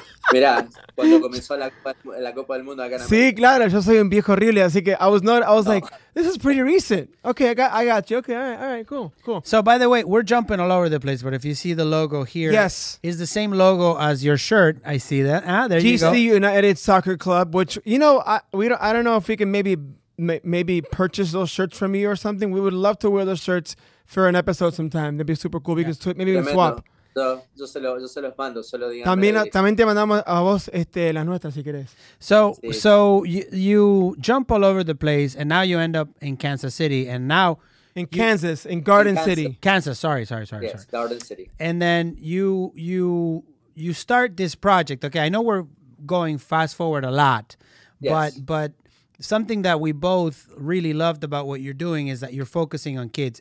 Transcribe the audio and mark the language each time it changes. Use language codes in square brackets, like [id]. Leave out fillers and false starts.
[es] Mira, cuando comenzó la Copa del Mundo acá en América. Sí, claro. Yo soy un viejo horrible. Así que [en] I was like, this is pretty recent. Okay, I got you. Okay, all right, cool. So by the way, we're jumping all over the place, but if you see the logo here. Yes. It's the same logo as your shirt. I see that. Ah, there you go. GC United Soccer Club, which, you know, I don't know if we can maybe purchase those shirts from you or something. We would love to wear those shirts for an episode sometime. That'd be super cool. Because maybe we can swap. [es] Yo se los mando, también te mandamos a vos las nuestras si querés. [en] So you jump all over the place and now you end up in Kansas City and now in Kansas, in Garden City. Kansas, sorry. Yes, Garden City. And then you start this project. Okay, I know we're going fast forward a lot, but something that we both really loved about what you're doing is that you're focusing on kids.